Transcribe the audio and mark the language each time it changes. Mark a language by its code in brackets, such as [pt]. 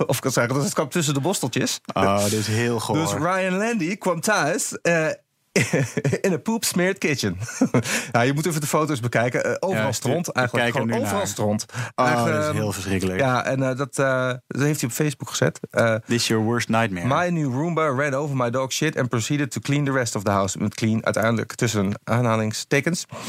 [nl] Of kan zeggen, dat het kwam tussen de borsteltjes. Oh, dit is heel goor. Dus Ryan Landy kwam thuis... in een poep-smeared kitchen. Je moet even de foto's bekijken. Overal stront. Eigenlijk gewoon overal stront. Dat is heel verschrikkelijk. Ja, en dat heeft hij op Facebook gezet. [en] This is your worst nightmare. My new Roomba ran over my dog shit... and proceeded to clean the rest of the house. [nl] Met clean, uiteindelijk tussen aanhalingstekens.